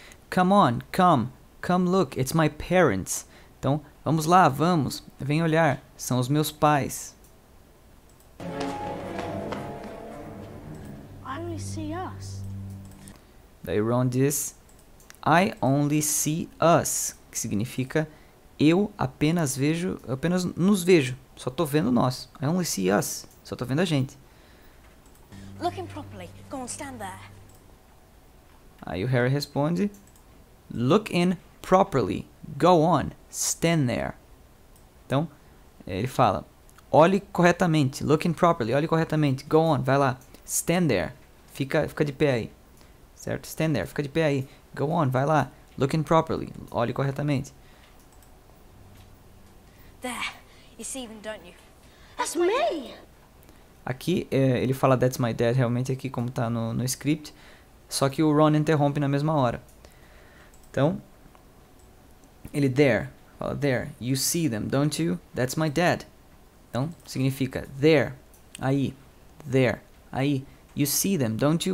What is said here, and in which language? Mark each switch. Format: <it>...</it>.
<en>Come on, come, come look, it's my parents.</en> <pt>Então, vamos lá, vamos, vem olhar, são os meus pais.</pt> <en>I only see us.</en> <pt>Daí Ron diz,</pt> <en>I only see us,</en> <pt>que significa, eu apenas vejo, eu apenas nos vejo, só tô vendo nós.</pt> <en>I only see us,</en> <pt>só tô vendo a gente.</pt> <en>Looking properly, go on, stand there.</en> <pt>Aí o Harry responde,</pt> <en>look in properly. Go on. Stand there.</en> <pt>Então, ele fala, olhe corretamente.</pt> <en>Look in properly.</en> <pt>Olhe corretamente.</pt> <en>Go on.</en> <pt>Vai lá.</pt> <en>Stand there.</en> <pt>Fica de pé aí. Certo?</pt> <en>Stand there.</en> <pt>Fica de pé aí.</pt> <en>Go on.</en> <pt>Vai lá.</pt> <en>Look in properly.</en> <pt>Olhe corretamente.</pt> <en>There. You see them, don't you? That's me!</en> <pt>Aqui, ele fala,</pt> <en>that's my dad,</en> <pt>realmente, aqui como tá no script. Só que o Ron interrompe na mesma hora. Então, ele</pt> <en>there, fala there, you see them, don't you? That's my dad.</en> <pt>Então, significa</pt> <en>there, aí, there, aí, you see them, don't you?</en>